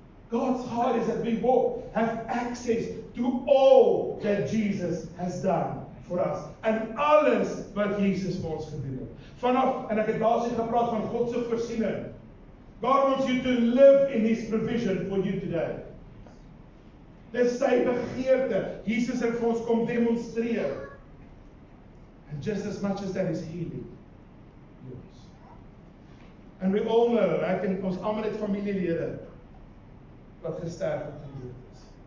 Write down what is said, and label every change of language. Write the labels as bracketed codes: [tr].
[en] God's heart is that we walk, have access to all that Jesus has done for us. [af] And alles wat Jesus vir ons gedoen het. Vanaf, en ek het daar sê gepraat van God se voorsiening. [en] God wants you to live in His provision for you today. [af] Dis sy begeerte. [en] Jesus [af] het vir ons kom demonstreer. [en] And just as much as that is healing. Yes. And we all know, [af] ek en ons allemaal het familielede, wat gesterf het en dood is.